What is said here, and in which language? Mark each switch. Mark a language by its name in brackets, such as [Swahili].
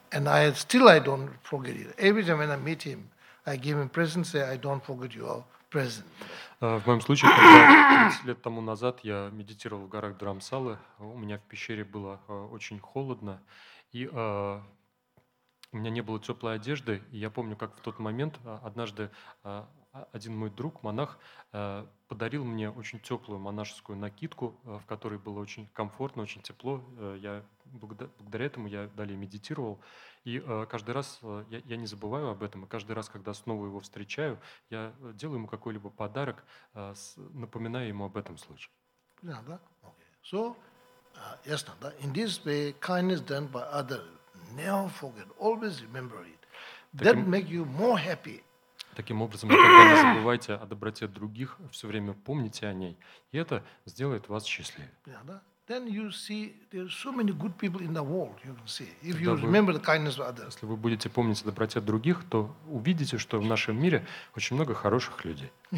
[English] And I still don't forget it. Every time when I meet him, I give him present, say, I don't forget your present. [Russian] В моем случае, когда 30 лет тому назад я медитировал в горах Дхарамсалы, у меня в пещере было очень холодно, и у меня не было теплой одежды. И я помню, как в тот момент однажды один мой друг, монах, подарил мне очень теплую монашескую накидку, в которой было очень комфортно, очень тепло. Я благодаря этому я далее медитировал. И каждый раз я не забываю об этом, и каждый раз, когда снова его встречаю, я делаю ему какой-либо подарок, напоминая ему об этом случае. Понятно, да? [English] So, [Russian] ясно, да? [English] In this way, kindness done by others, never forget, always remember it. That make you more happy. [Russian] Таким образом, никогда не забывайте о доброте других, все время помните о ней, и это сделает вас счастливее. Понятно, да? [English] Then you see there are so many good people in the world. You can see if you remember the kindness of others. [Russian] Если вы будете помнить о доброте других, то увидите, что в нашем мире очень много хороших людей.